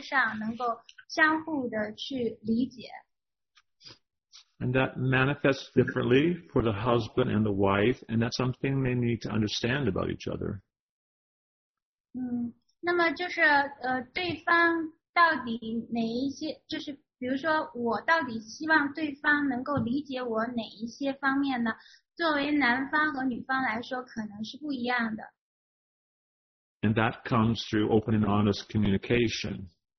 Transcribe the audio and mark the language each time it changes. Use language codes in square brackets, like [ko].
[zh] 就是说这是两个人他都应该有这样一种愿望，就是能不能坐下来，能够几分钟之间，能够在这几分钟当中之间，两个人呢能够沟通，能够连接上，能够相互的去理解。 [en] And that manifests differently for the husband and the wife, and that's something they need to understand about each other. [zh] 那么就是对方到底哪一些，就是比如说我到底希望对方能够理解我哪一些方面呢？作为男方和女方来说，可能是不一样的。 [en] And that comes through open and honest communication.